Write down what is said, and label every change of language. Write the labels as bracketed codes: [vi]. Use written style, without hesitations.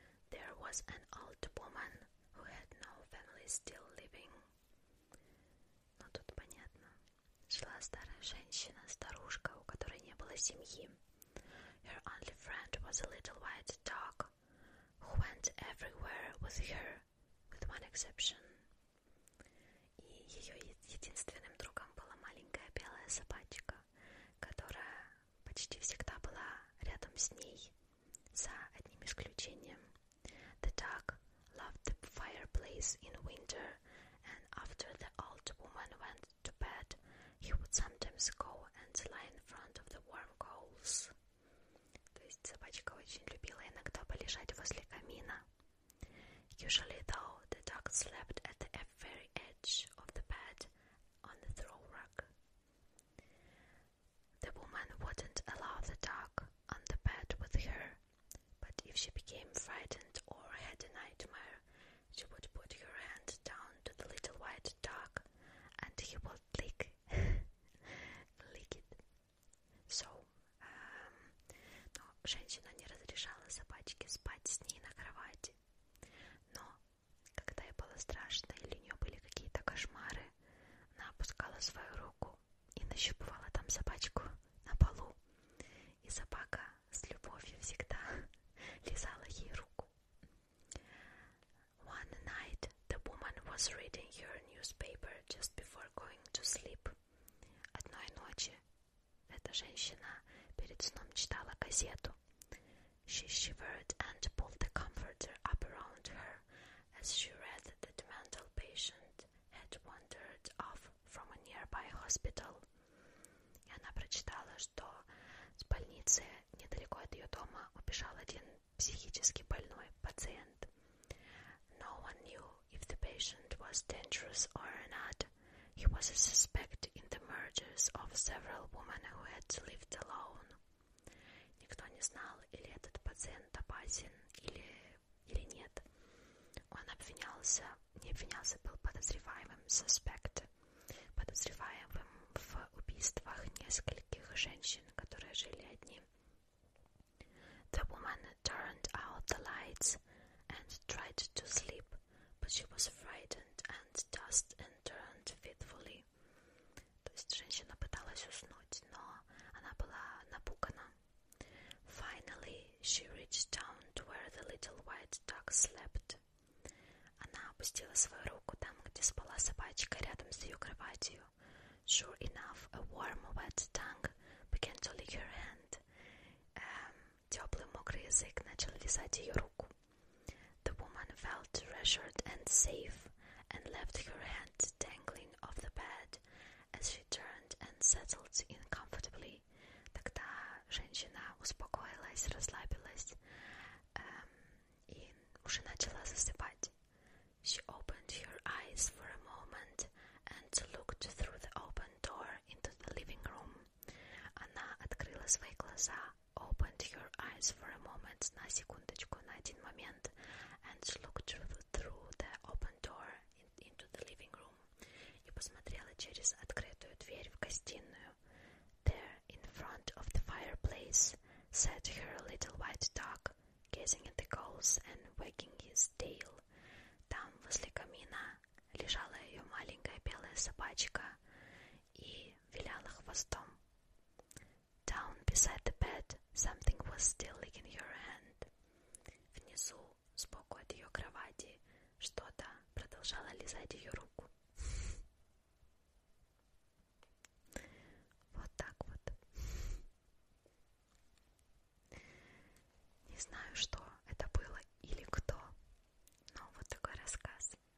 [en] There was an old woman who had no family still living. [ru] Жила старая женщина, старушка, у которой не было семьи. [en] Her only friend was a little white dog who went everywhere with her, with one exception. [ru] И ее единственным другом была маленькая белая собачка, которая почти всегда была рядом с ней, за одним исключением. [en] days in winter, and after the old woman went to bed, he would sometimes go and lie in front of the warm coals. [ru] То есть собачка очень любила иногда полежать возле камина. [en] Usually, though, the dog slept at the very edge of the bed on the throw rug. The woman wouldn't allow the dog on the bed with her, but if she became frightened or had a nightmare, she would put her hand down to the little white dog and he would lick, lick it. [ru] So, женщина не разрешала собачке спать с ней на кровати. Страшно, или у нее были какие-то кошмары, она опускала свою руку и нащупывала там собачку на полу, и собака с любовью всегда лизала ей руку. [en] One night the woman was reading her newspaper just before going to sleep. [ru] Одной ночи эта женщина перед сном читала газету. [en] She shivered and pulled the comforter up around her as she read that wandered off from a nearby hospital. [ru] И она прочитала, что с больницы недалеко от ее дома убежал один психически больной пациент. [en] No one knew if the patient was dangerous or not. He was a suspect in the murders of several women who had lived alone. [ru] Никто не знал, или этот пациент опасен, или нет. Он обвинялся, не обвинялся, был подозреваемым, suspect, подозреваемым в убийствах нескольких женщин, которые жили одни. [en] The woman turned out the lights and tried to sleep, but she was frightened and tossed and turned fitfully. [ru] То есть женщина пыталась уснуть, но она была напугана. [en] Finally, she reached down to where the little white dog slept. [ru] Она опустила свою руку там, где спала собачка, рядом с ее кроватью. [en] Sure enough, a warm, wet tongue began to lick her hand. [ru] Теплый, мокрый язык начал лизать ее руку. [en] The woman felt reassured and safe and left her hand dangling off the bed as she turned and settled in comfortably. [ru] Тогда женщина успокоилась, расслабилась, и уже начала засыпать. [en] She opened her eyes for a moment and looked through the open door into the living room. [ru] Она открыла свои глаза, [en] opened her eyes for a moment, [ru] на секундочку, на один момент, [en] and looked through the open door into the living room. [ru] И посмотрела через открытую дверь в гостиную. [en] There, in front of the fireplace, sat her little white dog, gazing at the coals and wagging his tail. [ru] Там, возле камина, лежала ее маленькая белая собачка и виляла хвостом. [en] Down beside the bed, something was still licking her hand. [ru] Внизу, сбоку от ее кровати, что-то продолжало лизать ее руку. Вот так вот. Не знаю, что это было или кто. Рассказ.